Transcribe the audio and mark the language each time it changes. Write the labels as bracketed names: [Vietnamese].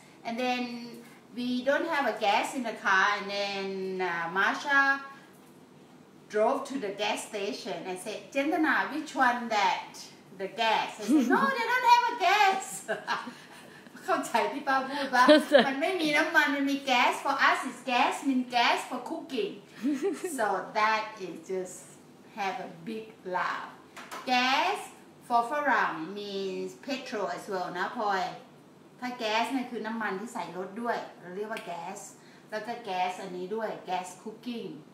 [English] And then we don't have a gas in the car. And then Marsha drove to the gas station and said, Jendana, which one that? The gas. I said, no, they don't have a gas. [Thai] เข้าใจที่ป้าพูดป่ะ มันไม่มีน้ำมันมันมี [English] gas for us is gas mean gas for cooking. so that is just have a big laugh. Gas for [Thai] ฝรั่ง [English] means petrol as well [Thai] นะพลอยถ้า gas เนี่ยคือน้ำมันที่ใส่รถด้วยเราเรียกว่า gas แล้วก็ gas อันนี้ด้วย [English] gas cooking.